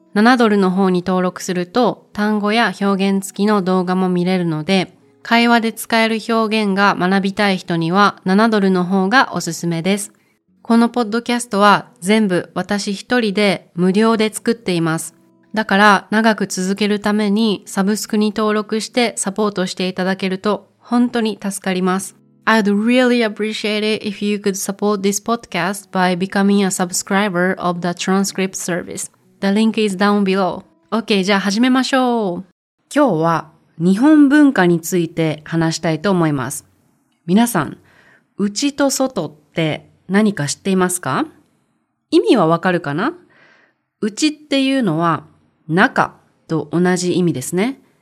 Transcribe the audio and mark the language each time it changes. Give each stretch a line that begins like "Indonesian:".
Japanese: 7ドルの方に登録すると単語や表現付きの動画も見れるので、会話で使える表現が学びたい人には7ドルの方がおすすめです。このポッドキャストは全部私一人で無料で作っています。だから長く続けるためにサブスクに登録してサポートしていただけると本当に助かります。
English: I'd really appreciate it if you could support this podcast by becoming a subscriber of the transcript service. The link is down below.
Japanese: OK, じゃあ始めましょう。今日は日本文化について話したいと思います。皆さん、内と外って何か知っていますか？意味はわかるかな？内っていうのは中と同じ意味ですね。